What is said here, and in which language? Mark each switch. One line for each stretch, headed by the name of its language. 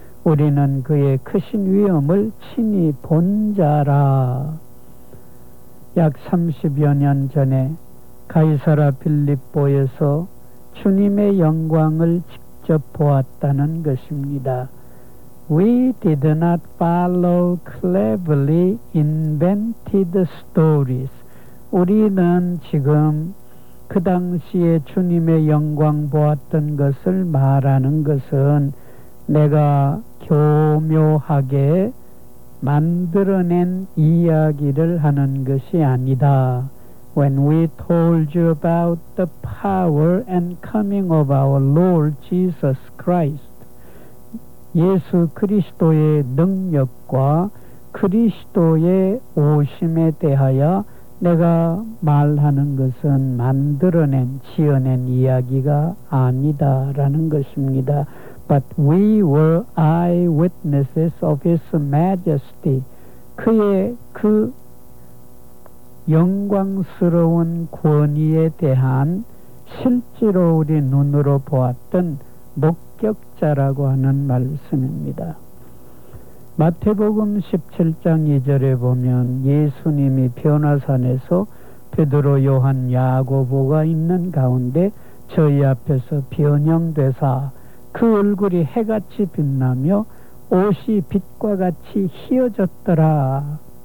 Korean: 우리는 그의 크신 위엄을 친히 본 자라. 약 30여 년 전에 가이사라 빌립보에서 주님의 영광을 직접 보았다는 것입니다.
English: We did not follow cleverly invented stories.
Korean: 우리는 지금 그 당시에 주님의 영광 보았던 것을 말하는 것은 내가 교묘하게 만들어낸 이야기를 하는 것이 아니다.
English: When we told you about the power and coming of our Lord Jesus Christ,
Korean: 예수 그리스도의 능력과 그리스도의 오심에 대하여 내가 말하는 것은 만들어낸, 지어낸 이야기가 아니다 라는 것입니다.
English: But we were eyewitnesses of His Majesty.
Korean: 그의 그 영광스러운 권위에 대한 실제로 우리 눈으로 보았던 목격자라고 하는 말씀입니다. 마태복음 17장 2절에 보면 예수님이 변화산에서 베드로, 요한, 야고보가 있는 가운데 저희 앞에서 변형되사 그 얼굴이 해같이 빛나며 옷이 빛과 같이 희어졌더라.